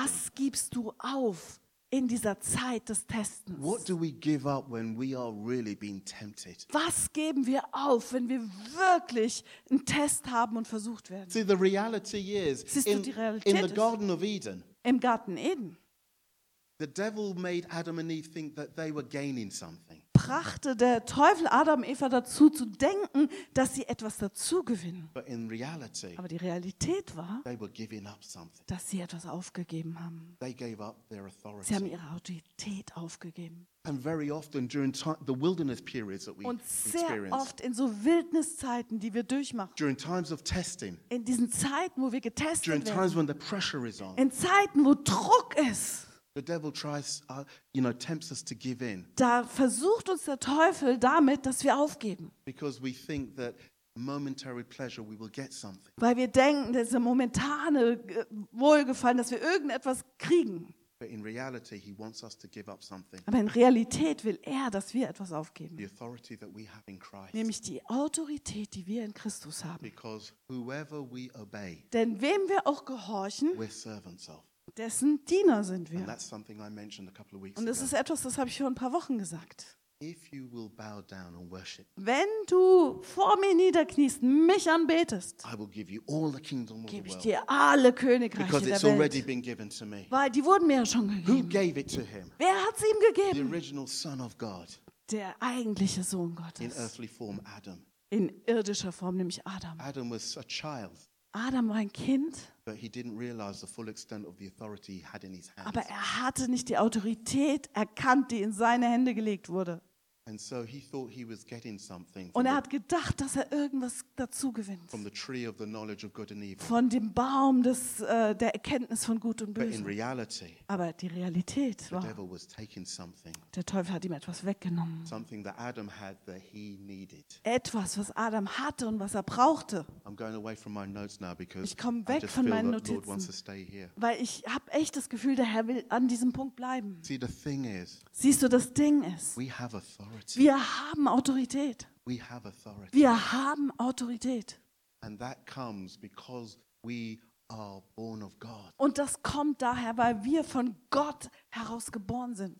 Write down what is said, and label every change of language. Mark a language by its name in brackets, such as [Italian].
[German] Was gibst du auf in dieser Zeit des Testens? [English] What do we give up when we are really being tempted? [German] Was geben wir auf, wenn wir wirklich einen Test haben und versucht werden? [English] See, the reality is in the Garden of Eden. [German] Im Garten Eden. [English] The devil made Adam and Eve think that they were gaining something. [German] Brachte der Teufel Adam und Eva dazu zu denken, dass sie etwas dazu gewinnen. [English] But in reality, [German] aber die Realität war, [English] they were giving up something. [German] Dass sie etwas aufgegeben haben. [English] They gave up their authority. [German] Sie haben ihre Autorität aufgegeben. [English] And very often during the wilderness periods that we [German] und sehr oft in so Wildniszeiten, die wir durchmachen. [English] During times of testing, [German] in diesen Zeiten, wo wir getestet [English] during [German] werden. [English] Times when the pressure is on, [German] in Zeiten, wo Druck ist. [English] The devil tries, you know, tempts us to give in. [German] Da versucht uns der Teufel damit, dass wir aufgeben. [English] Because we think that momentary pleasure we will get something. [German] Weil wir denken, dass ein momentane Wohlgefallen, dass wir irgendetwas kriegen. [English] But in reality, he wants us to give up something. [German] Aber in Realität will er, dass wir etwas aufgeben. [English] The authority that we have in Christ. [German] Nämlich die Autorität, die wir in Christus haben. [English] Because whoever we obey, [German] denn wem wir auch gehorchen, [English] we're servants of. [German] Dessen Diener sind wir. [English] And that's something I mentioned a couple of weeks [German] und das [English] ago. [German] Ist etwas, das habe ich vor ein paar Wochen gesagt. [English] If you will bow down and worship, [German] wenn du vor mir niederkniest, mich anbetest, gebe ich dir alle Königreiche [English] because it's [German] der Welt. [English] Already been given to me. [German] Weil die wurden mir ja schon gegeben. [English] Who gave it to him? [German] Wer hat sie ihm gegeben? [English] The original son of God. [German] Der eigentliche Sohn Gottes. [English] In earthly form, Adam. [German] In irdischer Form, nämlich Adam. Adam war ein Kind. Adam war ein Kind, [English] but he didn't realize the full extent of the authority he had in his hands. [German] Aber er hatte nicht die Autorität erkannt, die in seine Hände gelegt wurde. [English] And so he thought he was getting something. [German] Und er hat gedacht, dass er irgendwas dazu gewinnt. [English] From the tree of the knowledge of good and evil. [German] Von dem Baum des der Erkenntnis von Gut und Böse. [English] But in reality, [German] aber die Realität war, [English] the devil was taking something. [German] Der Teufel hat ihm etwas weggenommen. [English] Something that Adam had that he needed. [German] Etwas, was Adam hatte und was er brauchte. [English] I'm going away from my notes now because [German] ich komme weg von meinen Notizen, [English] Lord wants to stay here. [German] Weil ich habe echt das Gefühl, der Herr will an diesem Punkt bleiben. [English] See, the thing is, [German] siehst du, das Ding ist, [English] we have authority. [German] Wir haben Autorität. [English] We have authority. [German] Wir haben Autorität. [English] And that comes because we are born of God. [German] Und das kommt daher, weil wir von Gott heraus geboren sind.